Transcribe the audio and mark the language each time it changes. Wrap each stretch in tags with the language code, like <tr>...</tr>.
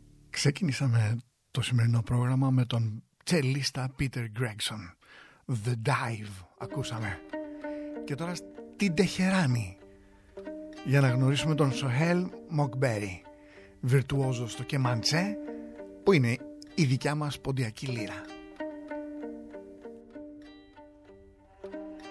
<el>Ξεκινήσαμε το σημερινό πρόγραμμα με τον τσελίστα Peter Gregson. The Dive ακούσαμε. Και τώρα στην Τεχεράνη για να γνωρίσουμε τον Σοχέλ Μοκμπέρι, βιρτουόζο στο Κεμαντσέ, που είναι η δικιά μας ποντιακή λύρα.</el> <en>Thank you.</en>